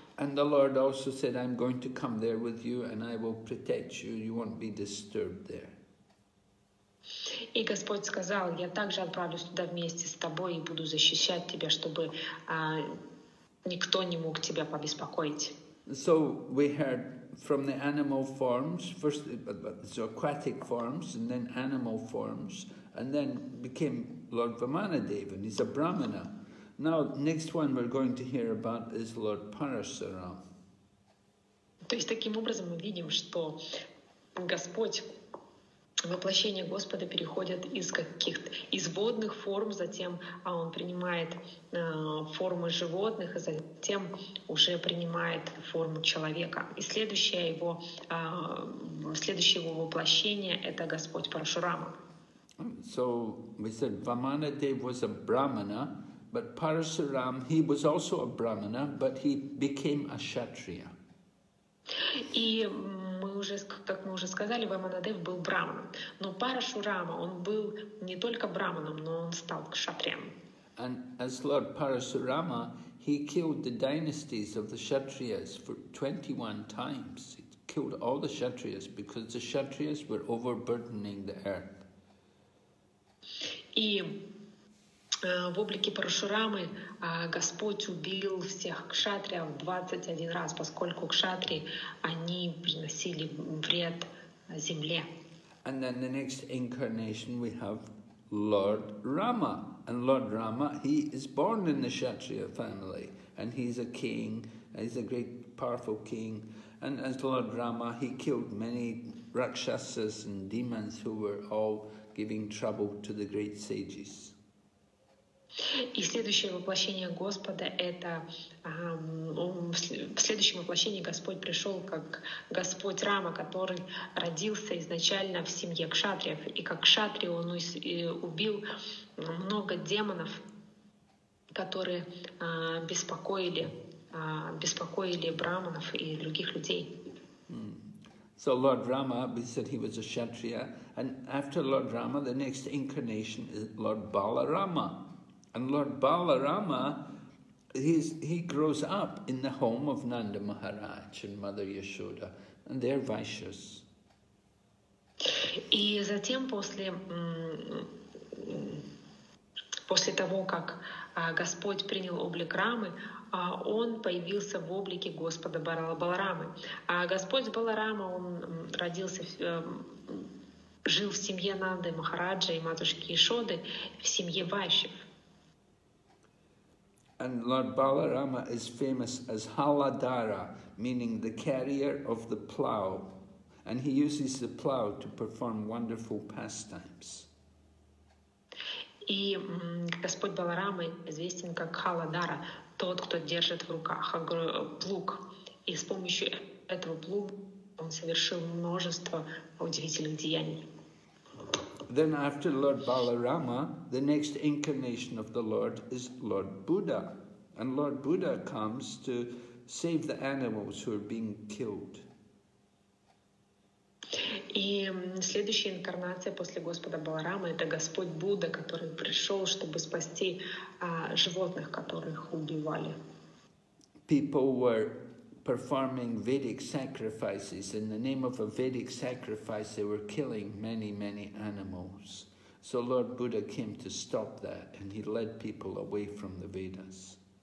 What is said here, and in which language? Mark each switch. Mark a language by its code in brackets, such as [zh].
[en] And the Lord also said, "I'm going to come there with you, and I will protect you. You won't be disturbed there." [ru] И Господь сказал, я также отправлюсь туда вместе с тобой и буду защищать тебя, чтобы никто не мог тебя побеспокоить. [en] So we heard from the animal forms, first the aquatic forms, and then animal forms, and then became Lord Vamanadev, and he's a Brahmana. Now, next one we're going to hear about is Lord Parasaram. [ru] То есть таким образом мы видим, что Господь воплощения Господа переходят из каких-то из водных форм, затем он принимает формы животных, и затем уже принимает форму человека. И следующее его воплощение — это Господь Парашурама. [en] So we said Vamanadeva was a brahmana, but Parashuram, he was also a brahmana, but he became a kshatriya. [ru] И мы уже, как мы уже сказали, Ваманадев был брахманом, но Парашурама, он был не только брахманом, но он стал кшатрием. [en] And as Lord Parashurama, he killed the dynasties of the kshatriyas for 21 times. He killed all the kshatriyas because the kshatriyas were overburdening the earth. [ru] И в облике Парашурамы Господь убил всех кшатриев 21 раз, поскольку кшатрии, они приносили вред земле. [en] And then the next incarnation we have Lord Rama. And Lord Rama, he is born in the kshatriya family. And he's a king, he's a great powerful king. And as Lord Rama, he killed many rakshasas and demons who were all giving trouble to the great sages. [ru] И следующее воплощение Господа это в следующем воплощении Господь пришел как Господь Рама, который родился изначально в семье кшатриев, и как кшатрий он убил много демонов, которые беспокоили брахманов и других людей. [en] So Lord Rama, we said he was a kshatriya, and after Lord Rama, the next incarnation is Lord Balarama. And Lord Balarama, he grows up in the home of Nanda Maharaj and Mother Yashoda, and they're Vaishyas. [ru] И затем после того, как Господь принял облик Рамы, он появился в облике Господа Баларамы. А Господь Баларама, он родился, жил в семье Нанды Махараджа и матушки Ишоды, в семье Вайшев. [en] And Lord Balarama is famous as Haladara, meaning the carrier of the plow. And he uses the plow to perform wonderful pastimes. [ru] И Господь Баларама известен как Халадара, тот, кто держит в руках плуг. И с помощью этого плуга он совершил множество удивительных деяний. [en] Then after Lord Balarama, the next incarnation of the Lord is Lord Buddha. And Lord Buddha comes to save the animals who are being killed. [ru] И следующая инкарнация после Господа Баларамы — это Господь Будда, который пришел, чтобы спасти животных, которых убивали. [en] People were performing Vedic sacrifices. In the name of a Vedic sacrifice, they were killing many, many animals. So Lord Buddha came to stop that, and he led people away from the Vedas.